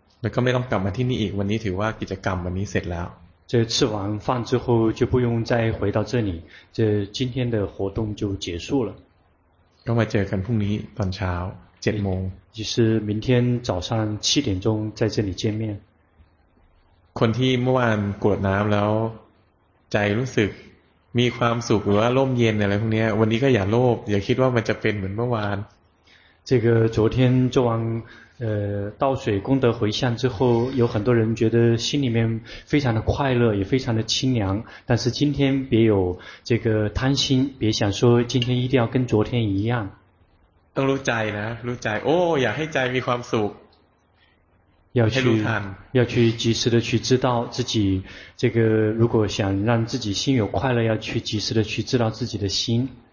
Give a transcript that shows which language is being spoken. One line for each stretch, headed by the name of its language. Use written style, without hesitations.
Thai: 那ก็ไม่ต้องกลับมาที่นี่อีกวันนี้ถือว่ากิจกรรมวันนี้เสร็จแล้ว
Chinese: 这吃完饭之后就不用再回到这里这今天的活动就结束了
Thai: ก็มาเจอกันพรุ่งนี้ตอนเช้า7โมง
Chinese: 就是明天早上7点钟在这里见面
Thai: คนที่เมื่อวานกวดน้ำแล้วใจรู้สึกมีความสุขหรือว่าร่มเย็นอะไรพวกนี้วันนี้ก็อย่าโลภอย่าคิดว่ามันจะเป็นเหมือนเมื่อวาน
Chinese: 这个昨天做完倒水功德回向之后有很多人觉得心里面非常的快乐也非常的清凉但是今天别有这个贪心别想说今天一定要跟昨天一样
Thai: ต้องรู้ใจนะรู้ใจโอ้อยากให้ใจมีความสุข
Chinese: 要去及时的去知道自己这个如果想让自己心有快乐要去及时的去知道自己的心